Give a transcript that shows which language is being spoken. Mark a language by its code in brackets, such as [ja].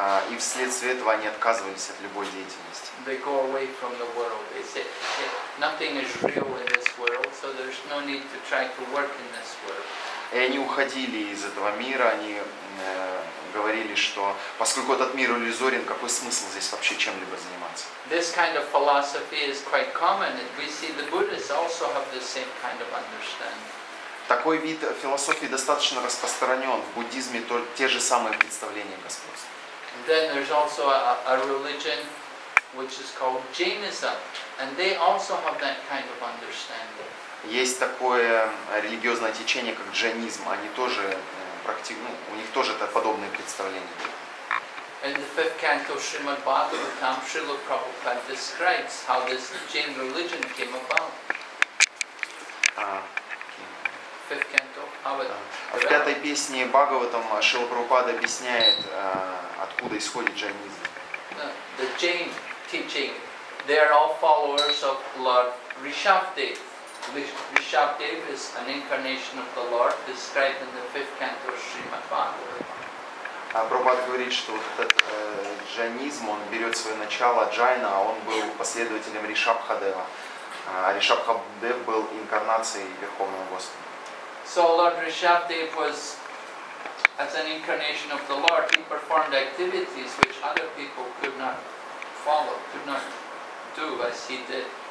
[ru] И вследствие этого они отказывались от любой деятельности. [en] They go away from the world. They say, nothing is real in this world, so there's no need to try to work in this world. [ru] И они уходили из этого мира, они говорили, что поскольку этот мир иллюзорен, какой смысл здесь вообще чем-либо заниматься? [en] This kind of philosophy is quite common, and we see the Buddhists also have the same kind of understanding. [ru] Такой вид философии достаточно распространен. В буддизме те же самые представления господства. [en] Then there's also a religion which is called Jainism, and they also have that kind of understanding. [ru] Есть такое религиозное течение, как джайнизм. Они тоже практикуют, у них тоже это подобные представления. [en] In the fifth canto of Srimad Bhagavatam, Srila Prabhupada describes how this Jain religion came about. Fifth canto, [ru] в пятой песне Бхагаватам Шрила Прабхупада объясняет, откуда исходит джайнизм. [en] The Jain teaching, they are all followers of Lord Rishabhdev. Rishabhdev is an incarnation of the Lord described in the fifth canto of Srimad Bhagavatam. [ru] Prabhupada говорит, что вот этот джайнизм, он берет свое начало джайна, а он был последователем Ришабхадева. Ришабхадев был инкарнацией Верховного Господа. [en] So Lord Rishabhdev was, as an incarnation of the Lord, he performed activities which other people could not follow, could not do as he did.